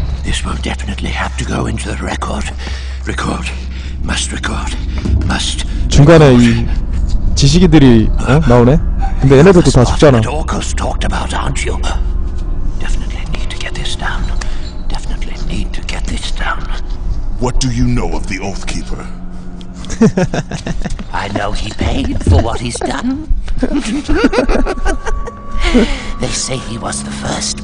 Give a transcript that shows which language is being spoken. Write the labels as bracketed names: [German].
[English] This will definitely have to go into the record. Record. Must record. Must. [Korean] 중간에 이 지식이들이 어? 나오네. 근데 얘네들도 다 죽잖아. [English] Orcus talked about, aren't you? Definitely need to get this down. Definitely need to get this down. What do you know of the Oathkeeper? I know he paid for what he's done. They say he was the first.